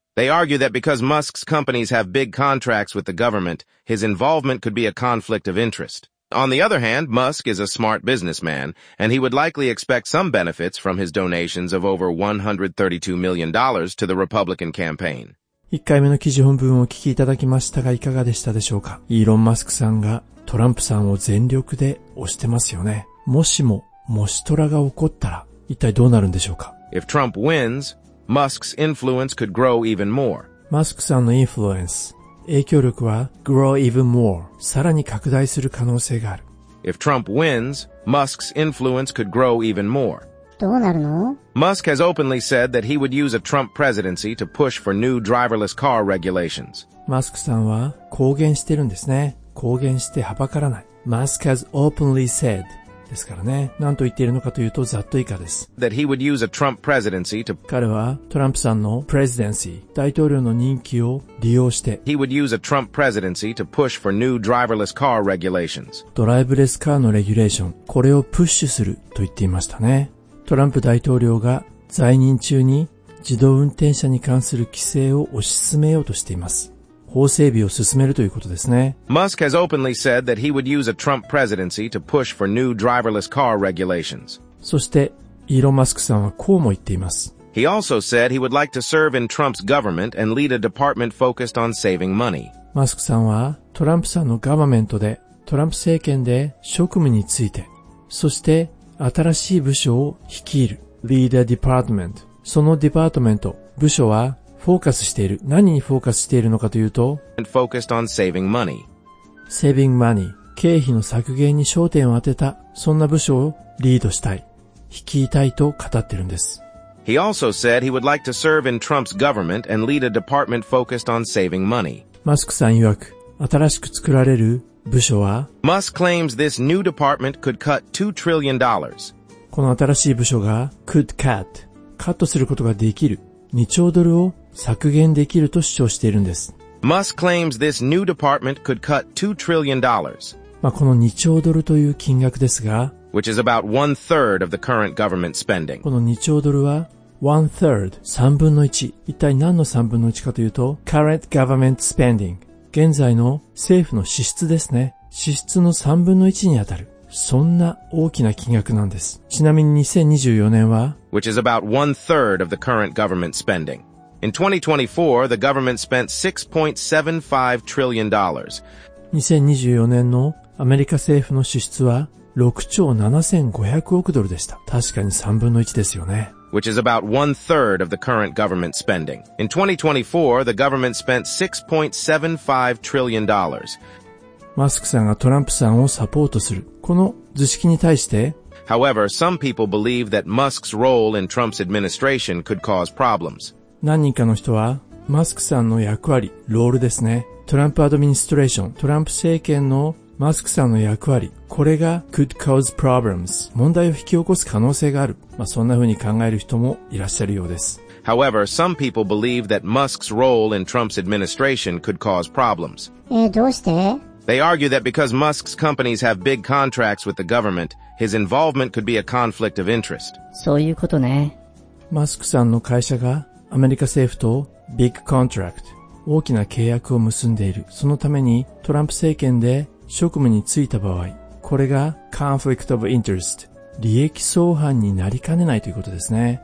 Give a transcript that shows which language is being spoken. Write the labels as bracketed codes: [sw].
[en] They argue that because Musk's companies have big contracts with the government, his involvement could be a conflict of interest. On the other hand, Musk is a smart businessman, and he would likely expect some benefits from his donations of over $132 million to the Republican campaign. [ja] 1回目の記事本文を聞きいただきましたが、いかがでしたでしょうか。イーロン・マスクさんがトランプさんを全力で推してますよね。もしも、もしトラが起こったら、一体どうなるんでしょうか。 [en] If Trump wins, Musk's influence could grow even more. [ja] マスクさんのインフルエンス、影響力は [en] grow even more、 [ja] さらに拡大する可能性がある。 [en] If Trump wins, Musk's influence could grow even more. [ja] どうなるの? [en] Musk has openly said that he would use a Trump presidency to push for new driverless car regulations. [ja] Musk さんは公言してるんですね。公言してはばからない。 [en] Musk has openly said [ja] ですからね。何と言っているのかというと、ざっと以下です。 [en] That he would use a Trump presidency to [ja] 彼はトランプさんの presidency、大統領の任期を利用して、 [en] he would use a Trump presidency to push for new driverless car regulations。 [ja] ドライブレスカーのレギュレーション、これをプッシュすると言っていましたね。トランプ大統領が在任中に自動運転車に関する規制を推し進めようとしています。法整備を進めるということですね。 [en] Musk has openly said that he would use a Trump presidency to push for new driverless car regulations. [ja] そして、イーロン・マスクさんはこうも言っています。 [en] He also said he would like to serve in Trump's government and lead a department focused on saving money. [ja] マスクさんは、トランプさんのガバメントで、トランプ政権で職務について、そして新しい部署を率いる。 [en] Lead a department。 [ja] そのデパートメント、部署は、フォーカスしている。何にフォーカスしているのかというと、 [en] And focused on saving money. Saving money. [ja] 経費の削減に焦点を当てた、そんな部署をリードしたい。率いたいと語っているんです。 He also said he would like to serve in Trump's government and lead a department focused on saving money. マスクさん曰く、新しく作られる部署は、 [en] Musk claims this new department could cut $2 trillion. [ja] この新しい部署が、 [en] could cut。 [ja] カットすることができる。 2兆ドルを削減できると主張しているんです。 [en] Musk claims this new department could cut $2 trillion. [ja] まあ、この2兆ドルという金額ですが、 [en] which is about one third of the current government spending. [ja] この2兆ドルは、 [en] one third、 [ja] 3分の1。一体何の3分の1かというと、 [en] current government spending。 [ja] 現在の政府の支出ですね。支出の3分の1にあたる。そんな大きな金額なんです。ちなみに2024年は、 [en] which is about one third of the current government spending. In 2024, the government spent $6.75 trillion. [ja] 2024年のアメリカ政府の支出は6兆7500億ドルでした。確かに3分の1ですよね。 [en] which is about one third of the current government spending. In 2024, the government spent $6.75 trillion. [ja] マスクさんがトランプさんをサポートする。この図式に対して、 [en] However, some people believe that Musk's role in Trump's administration could cause problems. [ja] 何人かの人は、マスクさんの役割、ロールですね。トランプアドミニストレーション、トランプ政権のマスクさんの役割、これが [en] could cause problems。 [ja] 問題を引き起こす可能性がある。まあそんな風に考える人もいらっしゃるようです。 [en] However, some people believe that Musk's role in Trump's administration could cause problems. [ja] どうして [en] They argue that because Musk's companies have big contracts with the government, his involvement could be a conflict of interest. [ja] そういうことね。マスクさんの会社がアメリカ政府と [en] big contract、 [ja] 大きな契約を結んでいる。そのためにトランプ政権で職務に就いた場合、これが [en] conflict of interest、 [ja] 利益相反になりかねないということですね。